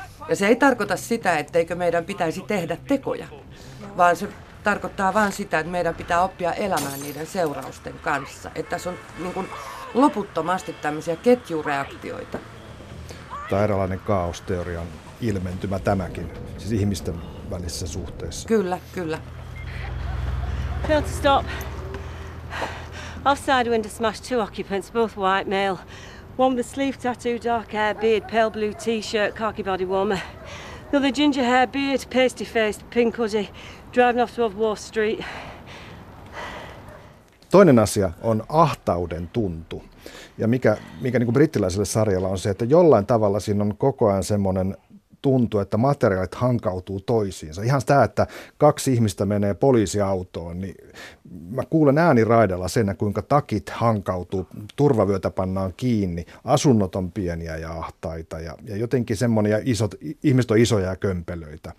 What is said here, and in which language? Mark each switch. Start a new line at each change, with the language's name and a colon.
Finnish: Ja se ei tarkoita sitä, etteikö meidän pitäisi tehdä tekoja, vaan se tarkoittaa vain sitä, että meidän pitää oppia elämään niiden seurausten kanssa. Että se on niin kuin loputtomasti tämmöisiä ketjureaktioita. Tämä eräänlainen kaaosteorian ilmentymä tämäkin, siis ihmisten välisissä suhteissa. Kyllä, kyllä.
English: Fail to stop. Offside window smashed two occupants, both white male. One with sleeve tattoo, dark hair, beard, pale blue t-shirt, khaki body warmer. Another ginger hair, beard, pasty faced, pink hoodie, driving off to Wall Street.
Finnish: Toinen asia on ahtauden tuntu. Ja mikä niin kuin brittiläiselle sarjalla on se, että jollain tavalla siinä on koko ajan semmoinen tuntu, että materiaalit hankautuu toisiinsa. Ihan sitä, että kaksi ihmistä menee poliisiautoon, niin mä kuulen ääniraidalla sen, kuinka takit hankautuu, turvavyötä pannaan kiinni, asunnot on pieniä ja ahtaita ja jotenkin semmoinen, ja isot, ihmiset on isoja ja kömpelöitä.